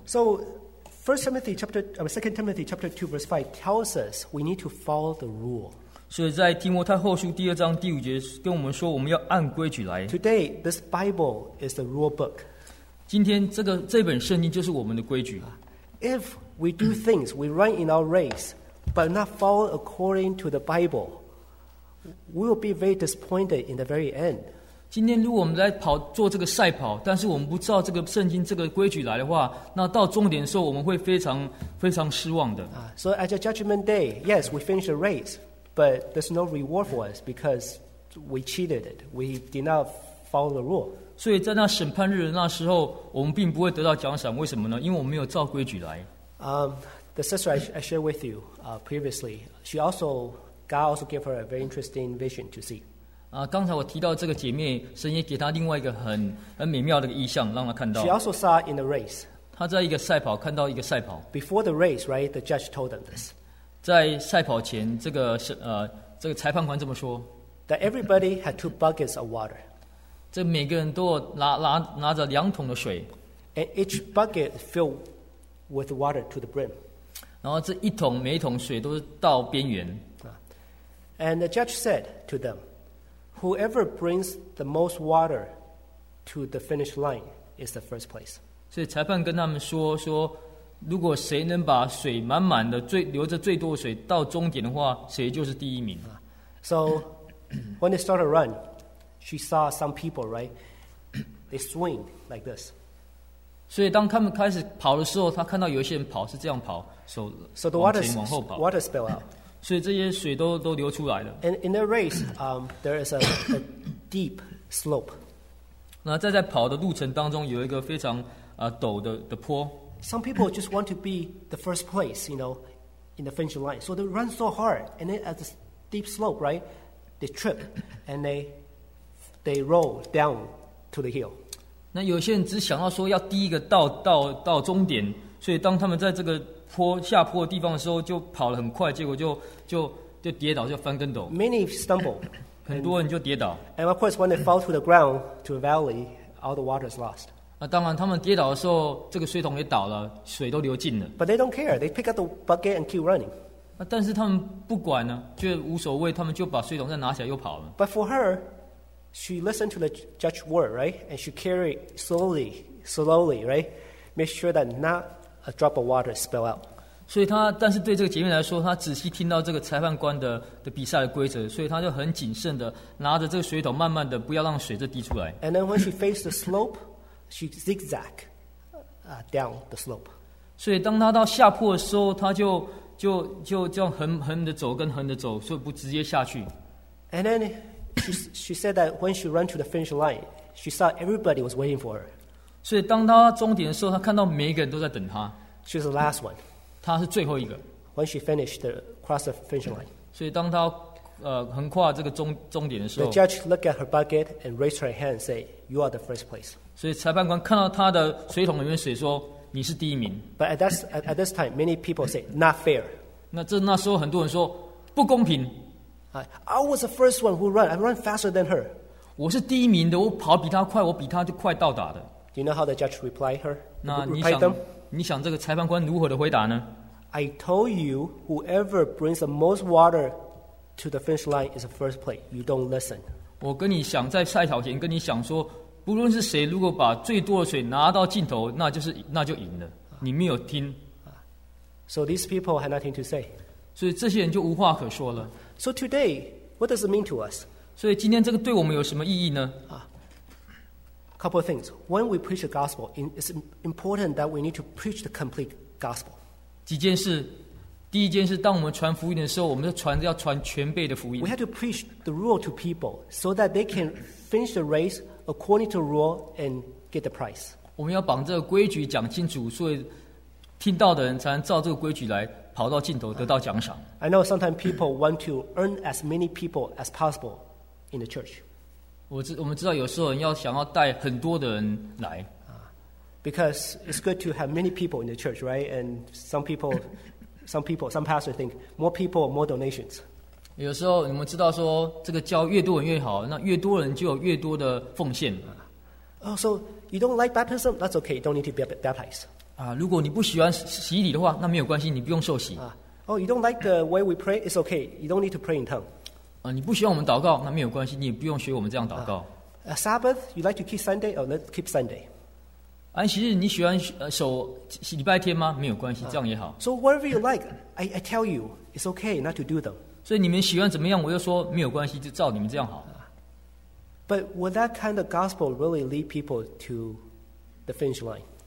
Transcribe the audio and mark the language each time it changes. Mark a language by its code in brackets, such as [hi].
[en] So, 2 Timothy chapter 2 verse 5 tells us we need to follow the rule. [zh] 所以在提摩太后书第二章第五节跟我们说，我们要按规矩来。 [en] Today, this Bible is the rule book. [zh] 今天这本圣经就是我们的规矩。 [en] If we do things, we run in our race, but not follow according to the Bible, we will be very disappointed in the very end. [zh] 今天如果我们来跑做这个赛跑，但是我们不照这个圣经这个规矩来的话，那到终点的时候，我们会非常失望的。 [en] So at the judgment day, yes, we finished the race, but there's no reward for us because we cheated it. We did not follow the rule. [zh] 所以在那审判日的那时候，我们并不会得到奖赏。为什么呢？因为我们没有照规矩来。 [en] The sister I shared with you previously, she also God also gave her a very interesting vision to see. [zh] 刚才我提到这个姐妹，神也给她另外一个很美妙的意象，让她看到。 [en] She also saw in the race. [zh] 她在一个赛跑看到一个赛跑。 [en] Before the race, right, the judge told them this. [zh] 在赛跑前，这个裁判官这么说。 [en] That everybody had 2 buckets of water. [zh] 这每个人都拿着两桶的水。 [en] And each bucket filled with water to the brim. [zh] 然后这一桶每一桶水都是到边缘。 [en] And the judge said to them, whoever brings the most water to the finish line is the first place. [zh] 所以裁判跟他们说如果谁能把水满满的留着最多的水到终点的话，谁就是第一名。 [en] So when they started to run, she saw some people, right? They swing like this. [zh] 所以当他们开始跑的时候，他看到有一些人跑是这样跑，手往前往后跑。 [en] So the water spill out. [zh] 所以这些水都流出来了。 [en] And in the race, there is a deep slope. [zh] 那在跑的路程当中，有一个非常陡的坡。 [en] Some people just want to be the first place, you know, in the finish line. So they run so hard, and then at the deep slope, right, they trip, and they roll down to the hill. [zh] 那有些人只想要说要第一个到终点，所以当他们在这个坡下坡的地方的时候，就跑得很快，结果就跌倒，就翻跟斗。 [en] Many stumble. [zh] 很多人就跌倒。 [en] And of course, when they fall to the ground, to a valley, all the water is lost. [zh] 当然，他们跌倒的时候，这个水桶也倒了，水都流尽了。 [en] But they don't care. They pick up the bucket and keep running. [zh] 但是他们不管呢，就无所谓，他们就把水桶再拿起来又跑了。 [en] But for her, she listened to the judge's word, right? And she carried slowly, right? Make sure that not a drop of water spill out. [zh] 所以她，但是对这个姐妹来说，她仔细听到这个裁判官的比赛的规则，所以她就很谨慎的拿着这个水桶，慢慢的不要让水再滴出来。 [en] And then when she faced the slope. She zigzag down the slope. [zh] 所以当他到下坡的时候，他就这样横的走，跟横的走，所以不直接下去。 [en] And then she said that when she ran to the finish line, she saw everybody was waiting for her. [zh] 所以当他终点的时候，他看到每一个人都在等他。 [en] She was the last one. [zh] 他是最后一个。 [en] When she finished the cross the finish line. [zh] 所以当他横跨这个终点的时候 [en] ，The judge looked at her bucket and raised her hand and said, "You are the first place." [zh] 所以裁判官看到他的水桶里面水，说：“你是第一名。” [en] But at this time, many people say, "Not fair." [zh] 那时候很多人说不公平。 [en] I was the first one who ran. I ran faster than her. [zh] 我是第一名的，我跑比他快，我比他就快到达的。 [en] Do you know how the judge replied her? [zh] 那你想这个裁判官如何的回答呢 [en] ？I told you, whoever brings the most water to the finish line is the first place. You don't listen. [zh] 我跟你想在赛跑前跟你想说。不论是谁，如果把最多的水拿到尽头，那就赢了。你没有听。 [en] So these people had nothing to say. [zh] 所以这些人就无话可说了。 [en] So today, what does it mean to us? [zh] 所以今天这个对我们有什么意义呢？ [en] Couple of things. When we preach the gospel, it's important that we need to preach the complete gospel. [zh] 几件事，第一件事，当我们传福音的时候，我们要传全备的福音。 [en] We have to preach the rule to people so that they can finish the race. According to rule and get the prize. [zh] 我们要把这个规矩讲清楚，所以听到的人才能照这个规矩来跑到尽头，得到奖赏。 [en] I know sometimes people want to earn as many people as possible in the church. [zh] 我们知道有时候人要想要带很多的人来。 [en] Because it's good to have many people in the church, right? And some pastors think more people, more donations. [zh] 有时候你们知道说这个教越多人越好，那越多人就有越多的奉献。 [en] So you don't like baptism? That's okay. You don't need to be baptized. [zh] 如果你不喜欢洗礼的话，那没有关系，你不用受洗。 [en] You don't like the way we pray? It's okay. You don't need to pray in tongue. [zh] 你不喜欢我们祷告，那没有关系，你也不用学我们这样祷告。 [en] Sabbath, you like to keep Sunday? Oh, let's keep Sunday. [zh] 安息日你喜欢守礼拜天吗？没有关系，这样也好。 [en] So whatever you like, I tell you, it's okay not to do them. [zh] 所以你们喜欢怎么样，我就说没有关系，就照你们这样好。 [en] But would that kind of gospel really lead people to the finish line?